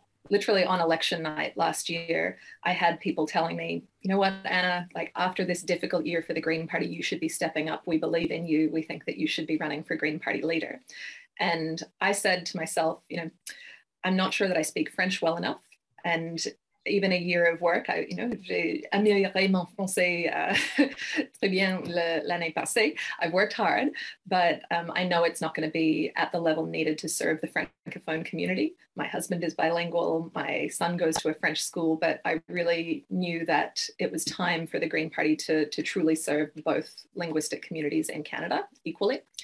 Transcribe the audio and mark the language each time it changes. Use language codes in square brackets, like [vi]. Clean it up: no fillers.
[en] literally on election night last year, I had people telling me, you know what, Anna, like after this difficult year for the Green Party, you should be stepping up. We believe in you. We think that you should be running for Green Party leader. And I said to myself, you know, I'm not sure that I speak French well enough. And even a year of work, I, you know, [fr] j'ai amélioré mon français très bien l'année passée. [en] I've worked hard, but I know it's not going to be at the level needed to serve the Francophone community. My husband is bilingual. My son goes to a French school, but I really knew that it was time for the Green Party to truly serve both linguistic communities in Canada equally.